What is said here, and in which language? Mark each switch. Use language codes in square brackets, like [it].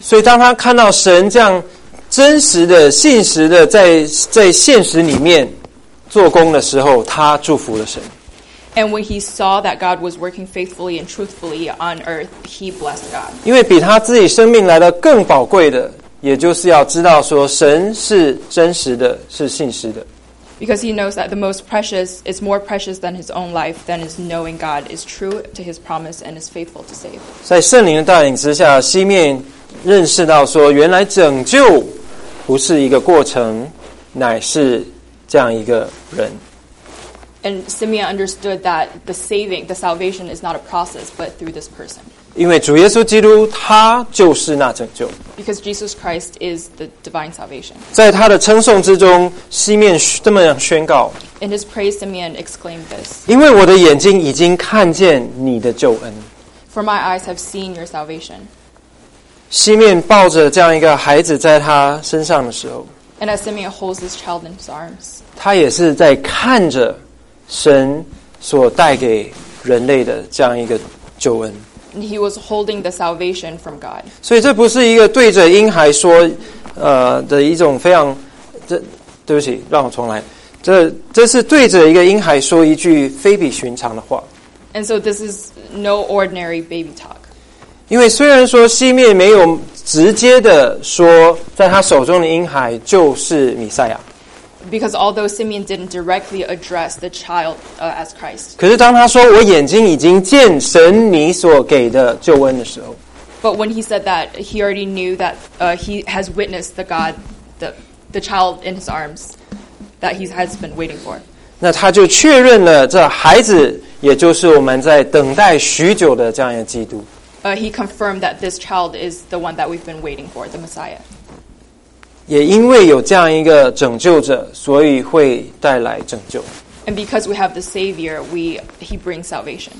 [zh] 所以当他看到神这样真实的、信实的在现实里面做工的时候，他祝福了神。 [en] And when he saw that God was working faithfully and truthfully on earth, he blessed God. [zh] 因为比他自己生命来的更宝贵的，也就是要知道说神是真实的，是信实的。 [en] Because he knows that the most precious is more precious than his own life, than is knowing God is true to his promise and is faithful to save. [zh] 在圣灵的带领之下，西面认识到说，原来拯救不是一个过程，乃是这样一个人。 [en] And Simeon understood that the salvation is not a process, but through this person. [zh] 因为主耶稣基督他就是那拯救。 [en] Because Jesus Christ is the divine salvation. [zh] 在他的称颂之中，西面这么宣告。 [en] In his praise, Simeon exclaimed this. [zh] 因为我的眼睛已经看见你的救恩。 [en] For my eyes have seen your salvation. [zh] 西面抱着这样一个孩子在他身上的时候。 [en] And as Simeon holds this child in his arms. [zh] 他也是在看着神所带给人类的这样一个救恩。 [en] He was holding the salvation from God. [zh] 所以这不是一个对着婴孩说的一种非常这对不起让我重来。这是对着一个婴孩说一句非比寻常的话。 [en] And so this is no ordinary baby talk. [zh] 因为虽然说西面没有直接的说在他手中的婴孩就是弥赛亚。 [en] Because although Simeon didn't directly address the child as Christ. [zh] 可是当他说我眼睛已经见神你所给的救恩的时候。 [en] But when he said that, he already knew that he has witnessed the God, the child in his arms that he has been waiting for. [zh] 那他就确认了这孩子也就是我们在等待许久的这样一个基督。 [en] He confirmed that this child is the one that we've been waiting for, the Messiah. [zh] 也因为有这样一个拯救者，所以会带来拯救。 [en] And because we have the Savior, he brings salvation.